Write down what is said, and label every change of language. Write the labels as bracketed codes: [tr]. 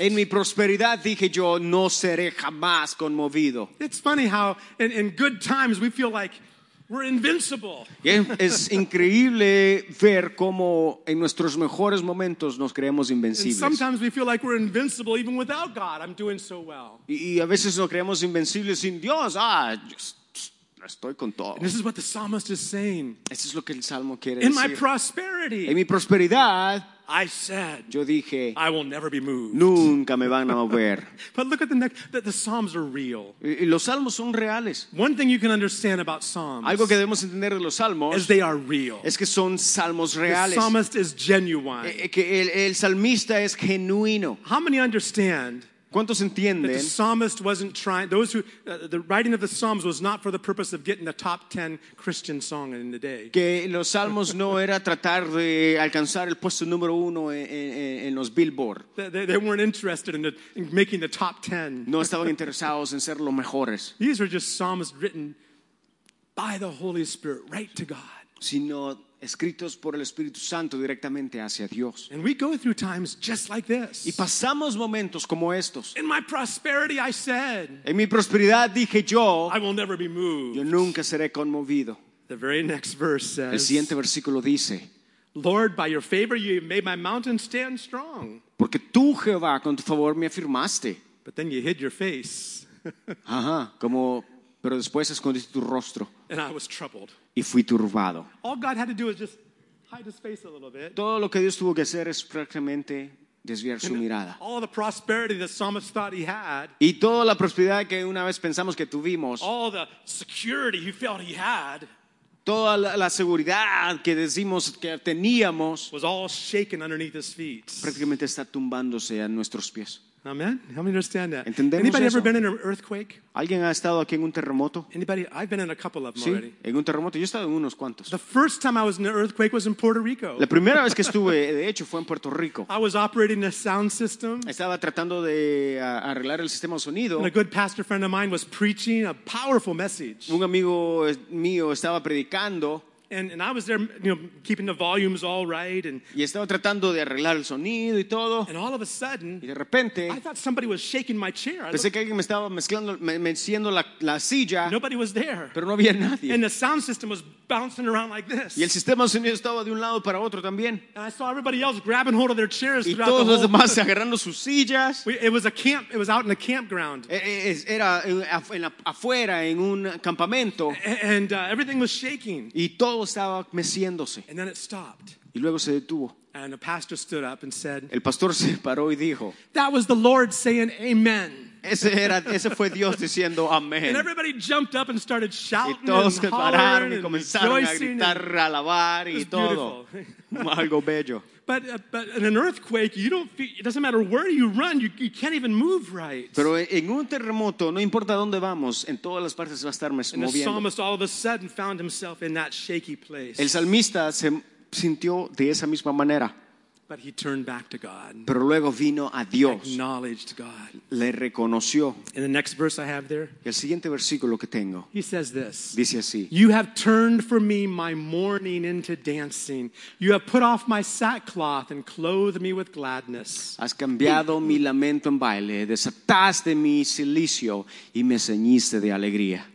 [es] En mi prosperidad dije yo no seré jamás conmovido. [en] It's funny how in good times we feel like we're invincible. [es] Es increíble ver cómo en nuestros mejores momentos nos creemos invencibles. [en] Sometimes we feel like we're invincible even without God. I'm doing so well. [es] Y a veces nos creemos invencibles sin Dios. Estoy con todo. [en] And this is what the psalmist is saying. [es] Eso es lo que el salmo quiere in decir. [en] In my prosperity. [es] En mi prosperidad. [en] I said, [es] yo dije, [en] I will never be moved. [es] Nunca me van a mover. [en] But look at the next, the Psalms are real. [es] Y los Salmos son reales. [en] One thing you can understand about Psalms, [es] algo que debemos entender de los Salmos, [en] is they are real. [es] Es que son Salmos reales. [en] The psalmist is genuine. [es] Que el salmista es genuino. [en] How many understand? [es] ¿Cuántos entienden? [en] That the psalmist wasn't trying, those who, the writing of the Psalms was not for the purpose of getting the top 10 Christian song in the day. [es] Que los Salmos no era tratar de alcanzar el puesto número uno en los Billboard. [en] They weren't interested in making the top 10. [es] No estaban interesados en ser los mejores. [en] These are just Psalms written by the Holy Spirit, right to God. [es] Sino escritos por el Espíritu Santo directamente hacia Dios. [en] And we go through times just like this. [es] Y pasamos momentos como estos. [en] In my prosperity, I said, [es] en mi prosperidad dije yo, [en] I will never be moved. [es] Yo nunca seré conmovido. [en] The very next verse says, [es] el siguiente versículo dice, [en] Lord, by your favor you made my mountain stand strong. [es] Porque tú, Jehová, con tu favor me afirmaste. [en] But then you hid your face. [es] Ajá, como, pero después escondiste tu rostro. [en] And I was troubled. [es] Y fui turbado. [en] All God had to do was just hide his face a little bit. [es] Todo lo que Dios tuvo que hacer es prácticamente desviar su mirada. [en] All the prosperity the psalmist thought he had. [es] Y toda la prosperidad que una vez pensamos que tuvimos. [en] All the security he felt he had. [es] Toda la seguridad que decimos que teníamos. [en] Was all shaken underneath his feet. [es] Prácticamente está tumbándose a nuestros pies. [en] Amen. Help me understand that. [es] ¿Entendemos [en] Anybody [es] eso? [en] Ever been in an earthquake? [es] ¿Alguien ha estado aquí en un terremoto? [en] Anybody? I've been in a couple of them [es] sí, [en] already. [es] En un terremoto. Yo he estado en unos cuantos. [en] The first time I was in an earthquake was in Puerto Rico. [es] La primera vez que estuve, de hecho, fue en Puerto Rico. [en] I was operating a sound system. [es] Estaba tratando de arreglar el sistema de sonido. [en] And a good pastor friend of mine was preaching a powerful message. [es] Un amigo mío estaba predicando. [en] And I was there, you know, keeping the volumes all right. And, [es] y estaba tratando de arreglar el sonido y todo. [en] And all of a sudden, [es] y de repente, [en] I thought somebody was shaking my chair. [es] Pensé que alguien me estaba meciendo la silla. [en] Nobody was there. [es] Pero no había nadie. [en] And the sound system was bouncing around like this. [es] Y el sistema de sonido estaba de un lado para otro también. [en] And I saw everybody else grabbing hold of their chairs. [es] Y todos los demás agarrando sus sillas. [en] It was a camp. It was out in a campground. [es] Era afuera en un campamento. [en] And everything was shaking. [es] Y todo estaba meciéndose. [en] And then it stopped. [es] Y luego se detuvo. [en] And the pastor stood up and said, [es] el pastor se paró y dijo, [en] that was the Lord saying amen. [es] Ese fue Dios diciendo amén. [en] And everybody jumped up and started shouting [es] y todos [en] and [es] pararon y comenzaron a gritar, a alabar y todo. Algo bello. [en] But in an earthquake, you don't feel, it doesn't matter where you run, you can't even move right. [es] Pero en un terremoto, no importa dónde vamos, en todas las partes va a estar moviendo. [en] And the psalmist all of a sudden found himself in that shaky place. [es] El salmista se sintió de esa misma manera. [en] But he turned back to God. [es] Pero luego vino a Dios. [en] Acknowledged God. [es] Le reconoció. [en] In the next verse I have there. [es] El siguiente versículo que tengo. [en] He says this. [es] Dice así. [en] You have turned for me my mourning into dancing. You have put off my sackcloth and clothed me with gladness. [es] Has cambiado mi lamento en baile. Desataste mi cilicio y me ceñiste de alegría.